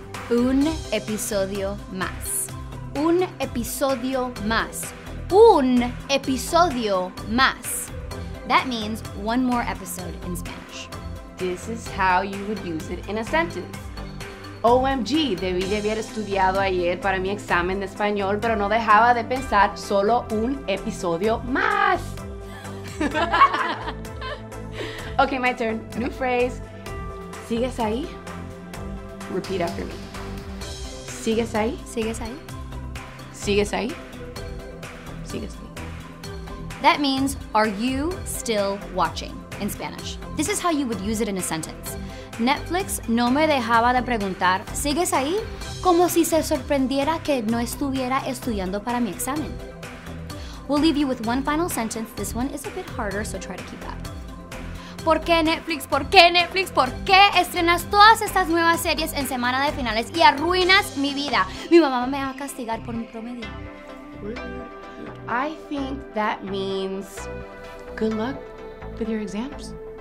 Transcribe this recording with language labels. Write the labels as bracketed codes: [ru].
[es] Un episodio más. Un episodio más. Un episodio más. [en] That means one more episode in Spanish. This is how you would use it in a sentence. [es] OMG, debí de haber estudiado ayer para mi examen de español, pero no dejaba de pensar solo un episodio más. [en] Okay, my turn. New phrase. [es] ¿Sigues ahí? [en] Repeat after me. [es] ¿Sigues ahí? ¿Sigues ahí? ¿Sigues ahí? ¿Sigues ahí? [en] That means, are you still watching in Spanish? This is how you would use it in a sentence. [es] Netflix no me dejaba de preguntar, ¿sigues ahí? Como si se sorprendiera que no estuviera estudiando para mi examen. [en] We'll leave you with one final sentence. This one is a bit harder, so try to keep up. [es] ¿Por qué Netflix? ¿Por qué Netflix? ¿Por qué estrenas todas estas nuevas series en semana de finales y arruinas mi vida? Mi mamá me va a castigar por mi promedio. [en] I think that means good luck with your exams.